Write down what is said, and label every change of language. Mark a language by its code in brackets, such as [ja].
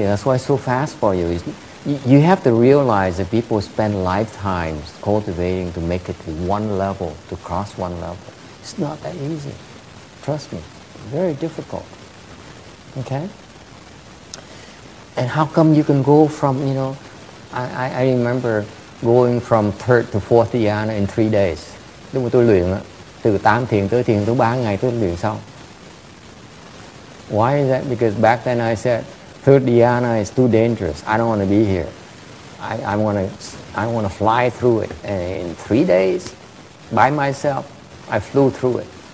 [en] That's why it's so fast for you. You have to realize that people spend lifetimes cultivating to make it to one level, to cross one level. It's not that easy. Trust me. Very difficult. Okay? And how come you can go from, you know, I remember going from third to fourth dhyana in 3 days. [vi] Tôi luyện từ 8 thiền tới 3 ngày tôi liền xong. [en] Why is that? Because back then I said third dhyana is too dangerous. I don't want to be here. I want to fly through it. And in 3 days, by myself, I flew through it.